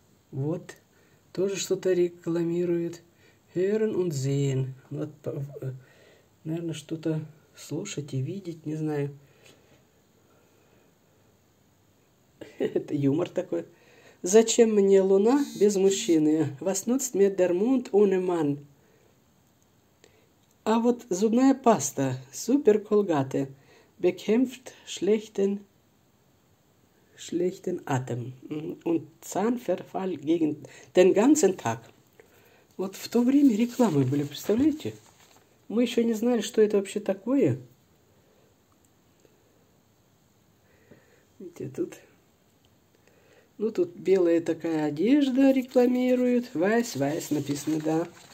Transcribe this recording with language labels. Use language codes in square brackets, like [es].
[ru] Вот. Тоже что-то рекламирует. [de] Hören und sehen. [ru] Вот, наверное, что-то слушать и видеть, не знаю. Это юмор такой. Зачем мне луна без мужчины? [de] Was nutzt mir der Mond ohne Mann? [ru] А вот зубная паста. Super Colgate. [de] Bekämpft schlechten Atem. Und Zahnverfall gegen den ganzen Tag. [ru] Вот в то время рекламы были, представляете? Мы еще не знали, что это вообще такое. Видите, тут... Ну, тут белая такая одежда рекламируют. [de] Weiß, weiß [ru] написано, да.